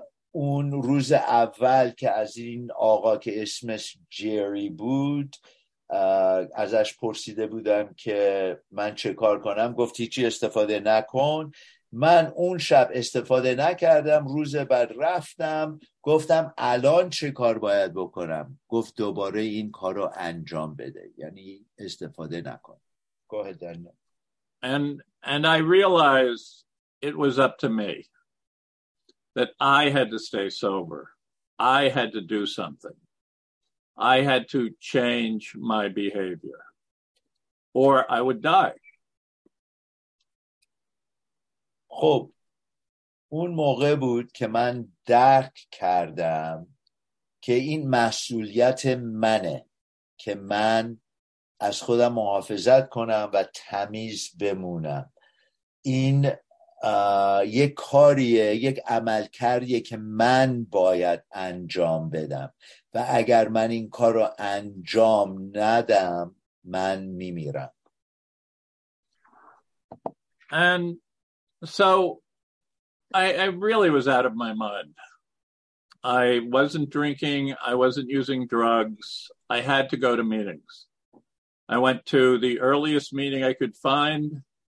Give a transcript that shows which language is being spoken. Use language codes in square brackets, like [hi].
[fa] اون روز اول که از این آقا که اسمش جری بود ازش پرسیده بودم که من چه کار کنم، گفت هیچی استفاده نکن. من اون شب استفاده نکردم. روز بعد رفتم گفتم الان چه کار باید بکنم، گفت دوباره این کار رو انجام بده، یعنی استفاده نکن. [en] Go ahead, Daniel. And I realized it was up to me. That I had to stay sober. I had to do something. I had to change my behavior. Or I would die. [fa] خب اون موقع بود که من درک کردم که این مسئولیت منه که من از خودم محافظت کنم و تمیز بمونم. این یک کاریه، یک عمل کاریه که من باید انجام بدم و اگر من این کار رو انجام ندم من میمیرم. [en] And so I really was out of my mind. I wasn't drinking, I wasn't using drugs. I had to go to meetings. I went to the earliest meeting I could find.